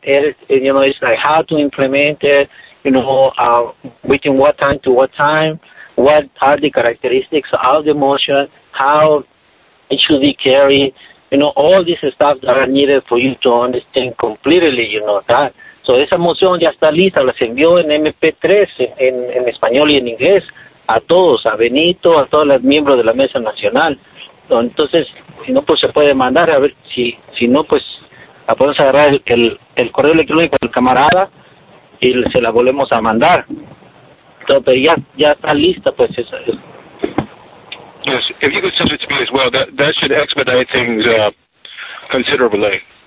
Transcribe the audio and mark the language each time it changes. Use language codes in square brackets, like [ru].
[en] It, you know, it's like how to implement it. You know, within what time to what time? What are the characteristics of the motion? How it should be carried? You know, all this stuff that are needed for you to understand completely. You know that. [es] So esa moción ya está lista, las envió en MP3, en español y en inglés, a todos, a Benito, a todos los miembros de la Mesa Nacional. Entonces, si no, pues se puede mandar, a ver, si no, pues la podemos agarrar el correo electrónico del camarada y se la volvemos a mandar. Entonces, pero ya está lista, pues esa es. [en] Yes, if you could send it to me as well, that should expedite things considerably.